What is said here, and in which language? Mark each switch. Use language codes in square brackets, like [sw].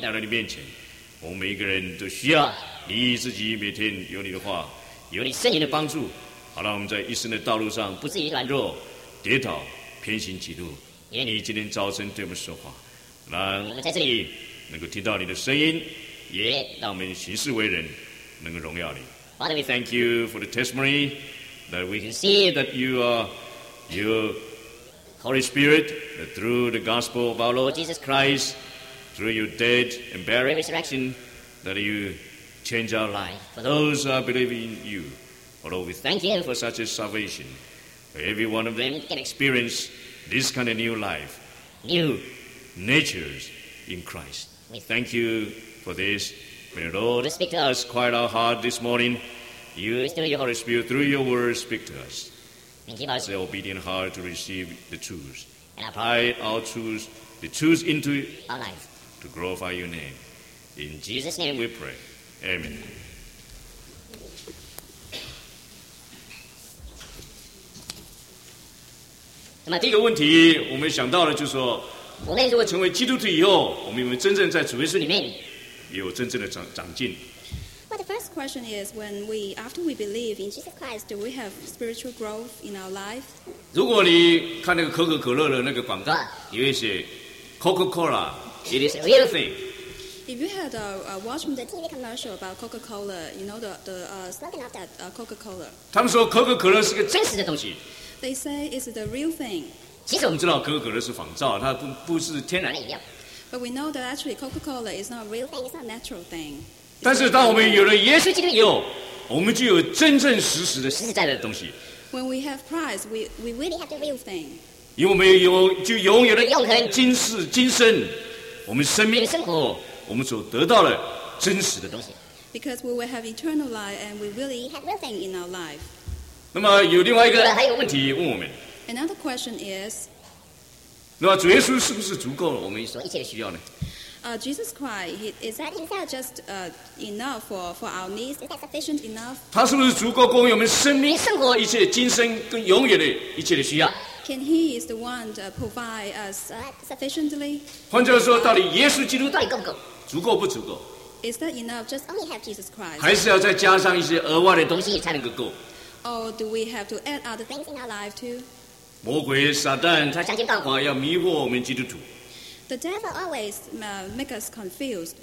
[zh] 来到你面前，我们每一个人都需要你自己每天有你的话，有你圣灵的帮助，好让我们在一生的道路上不至于软弱、跌倒、偏行歧路。愿你今天早晨对我们说话，让我们在这里能够听到你的声音，也让我们行事为人能够荣耀你。 [en] Father, we thank you for the testimony that we can see that you are your Holy Spirit, that through the gospel of our Lord Jesus Christ, through your dead and buried resurrection, that you change our life. For those who believe in you, Lord, we thank you for such a salvation, that every one of them can experience this kind of new life, new natures in Christ. We thank you for this. May the Lord speak to us, quiet our heart this morning. You, through your Holy Spirit, through your word, speak to us. And give us the obedient heart to receive the truth. And apply our truth, the truth into our life. To glorify your name. In Jesus' name we pray. Amen. So, [zh] 第一个问题我们想到的就是说，我们如果成为基督徒以后，我们有没有真正在主耶稣里面有真正的长进？ [en] But the first question is, when we after we believe in Jesus Christ, do we have spiritual growth in our life? [zh] 如果你看那个可口可乐的那个广告，有一些 Coca-Cola, [en] it is a real thing. If you had watched the TV commercial about Coca-Cola, you know the slogan of that Coca-Cola. [zh] 他们说可口可乐是个真实的东西。 [en] They say it's the real thing. [zh] 其实我们知道可口可乐是仿造，它不是天然饮料。 [en] But we know that actually Coca-Cola is not a real thing, it's not a natural thing. [zh] 但是当我们有了耶稣基督以后，我们就有真正实实的实实在在的东西。 [en] When we have Christ, we really have the real thing. [zh] 因为我们有就拥有了永恒今世今生，我们生命生活，我们所得到了真实的东西。 [en] Because we will have eternal life and we really have real thing in our life. [zh] 那么有另外一个问题问我们。 [en] Another question is, [zh] 那么主耶稣是不是足够了我们所一切需要呢？ [en] Jesus Christ, is that himself just enough for our needs? Is that sufficient enough? [zh] 他是不是足够供应我们生命、生活一切今生跟永远的一切的需要？ [en] Can he is the one to provide us sufficiently? [zh] 换句话说，到底耶稣基督到底够不够？足够不足够？ [en] Is that enough just only have Jesus Christ? [zh] 还是要再加上一些额外的东西才能够够？ [en] Or do we have to add other things in our life too? [zh] 魔鬼撒旦他想尽办法要迷惑我们基督徒。 [en] The devil always make us confused.